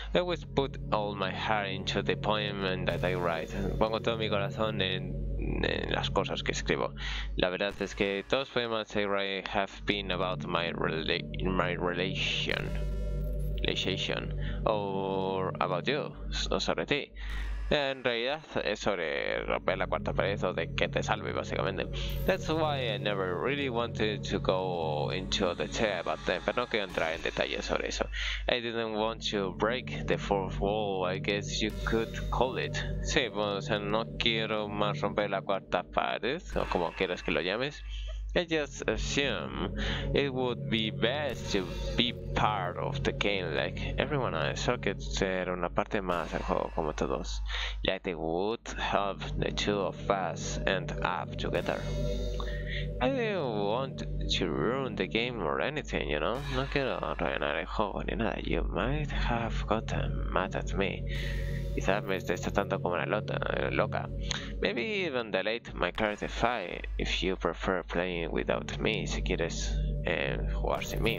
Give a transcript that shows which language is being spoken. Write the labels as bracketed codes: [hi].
[en] I always put all my heart into the poem that I write. [es] Pongo todo mi corazón en las cosas que escribo. La verdad es que todos los poemas que escribo [en] have been about my relation, or about you, [es] o sobre ti. En realidad es sobre romper la cuarta pared o de que te salve, básicamente. [en] That's why I never really wanted to go into detail about them, [es] pero no quiero entrar en detalles sobre eso. [en] I didn't want to break the fourth wall, I guess you could call it. [es] Sí, pues, o sea, no quiero más romper la cuarta pared, o como quieras que lo llames. [en] I just assume it would be best to be part of the game like everyone else. [es] Solo que ser una parte más del juego como todos. [en] Like they would help the two of us end up together. I don't want to ruin the game or anything, you know? [es] No quiero arruinar el juego ni nada. [en] You might have gotten mad at me. [es] Quizás me estresa tanto como una loca. [en] Maybe even delete my character file if you prefer playing without me, [es] si quieres jugar sin mí.